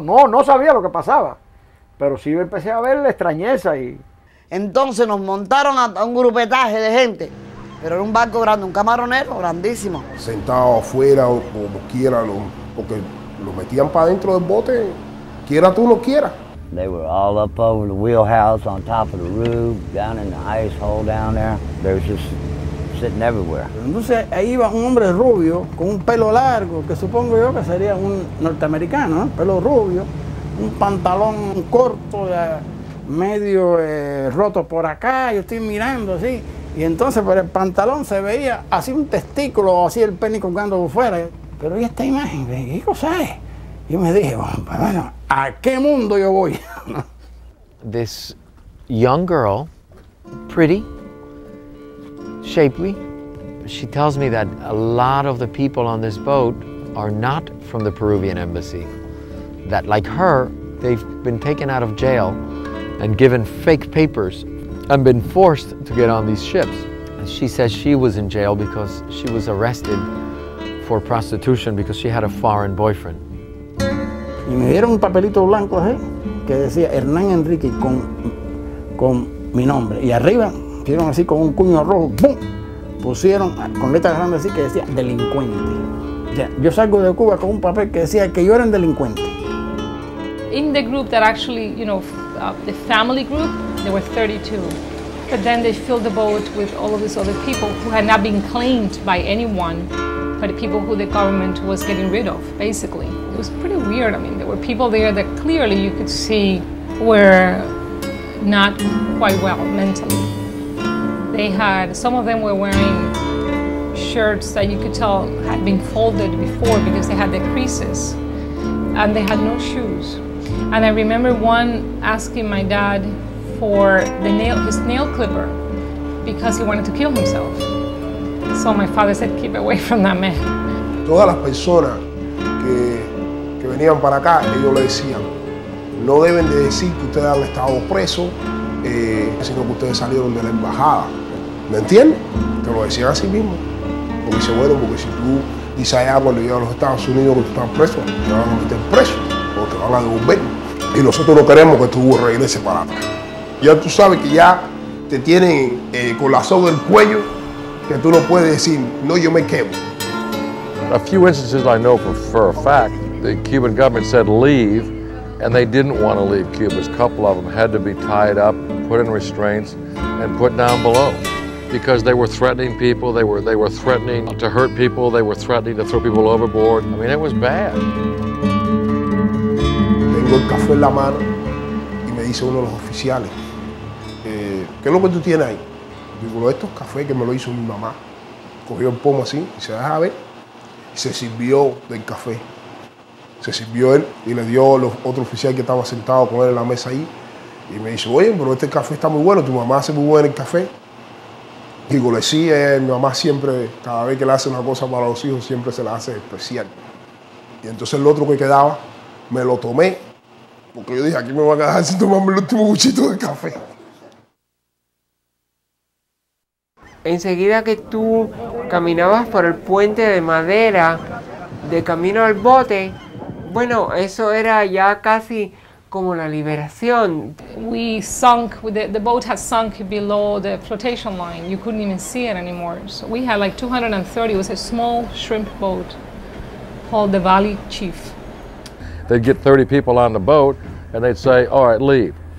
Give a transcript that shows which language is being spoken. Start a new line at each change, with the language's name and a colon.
Spanish: No sabía lo que pasaba. Pero sí empecé a ver la extrañeza. Entonces nos montaron a un grupetaje de gente. Pero era un barco grande, un camaronero grandísimo. Sentado afuera o como quiera, porque lo metían para dentro del bote, quiera tú no quiera.
English: They were all up over the wheelhouse, on top of the roof, down in the ice hole down there. They were just sitting everywhere.
Spanish: Entonces ahí iba un hombre rubio con un pelo largo, que supongo yo que sería un norteamericano, ¿eh? Pelo rubio, un pantalón corto, medio roto por acá. Yo estoy mirando así, y entonces por el pantalón se veía así un testículo, así el pene colgando por fuera. Pero ¿y esta imagen? ¿Qué cosa es? Y me dije, bueno, ¿a qué mundo yo voy?
English: This young girl, pretty, shapely, she tells me that a lot of the people on this boat are not from the Peruvian embassy. That like her, they've been taken out of jail and given fake papers and been forced to get on these ships. And she says she was in jail because she was arrested for prostitution because she had a foreign boyfriend.
Spanish: Y me dieron un papelito blanco así, que decía Hernán Enrique con mi nombre. Y arriba, hicieron así con un cuño rojo, ¡bum! Pusieron con letras grandes así que decía delincuente. Ya, yo salgo de Cuba con un papel que decía que yo era un delincuente.
English: In the group that actually, you know, the family group, there were 32. But then they filled the boat with all of these other people who had not been claimed by anyone, but people who the government was getting rid of, basically. It was pretty weird. I mean, there were people there that clearly you could see were not quite well mentally. Some of them were wearing shirts that you could tell had been folded before because they had the creases, and they had no shoes. And I remember one asking my dad for his nail clipper because he wanted to kill himself. So my father said, keep away from that man.
Spanish: Todas las personas que venían para acá, ellos le decían, no deben de decir que ustedes han estado presos, sino que ustedes salieron de la embajada. ¿Me entiendes? Te lo decían así mismo. Porque dice, bueno, porque si tú dices allá cuando llegas a los Estados Unidos que tú estás preso, te van a meter preso o te van a devolver. Y nosotros no queremos que tú regreses para acá. Ya tú sabes que ya te tienen con la soga del cuello, que tú no puedes decir, no, yo me quedo.
English: A few instances I know for a fact, the Cuban government said leave, and they didn't want to leave Cuba. A couple of them had to be tied up, put in restraints, and put down below, because they were threatening people, they were threatening to hurt people, they were threatening to throw people overboard. I mean, it was bad.
Spanish: Tengo el café en la mano, y me dice uno de los oficiales, ¿qué es lo que tú tienes ahí? Digo, esto es café que me lo hizo mi mamá. Cogió el pomo así, y se deja ver, y se sirvió del café. Se sirvió él y le dio a otro oficial que estaba sentado con él en la mesa ahí y me dice, oye, pero este café está muy bueno, tu mamá hace muy buen el café. Digo, le sí, mi mamá siempre, cada vez que le hace una cosa para los hijos, siempre se la hace especial. Y entonces el otro que quedaba, me lo tomé, porque yo dije, aquí me van a dejar sin tomarme el último buchito de café. Enseguida que tú caminabas por el puente de madera, de camino al bote, bueno, eso era ya casi como la liberación.
English: We sunk, the boat had sunk below the flotation line. You couldn't even see it anymore. So we had like 230, it was a small shrimp boat called the Valley Chief. They'd get 30 people on the boat and they'd say, all right, leave.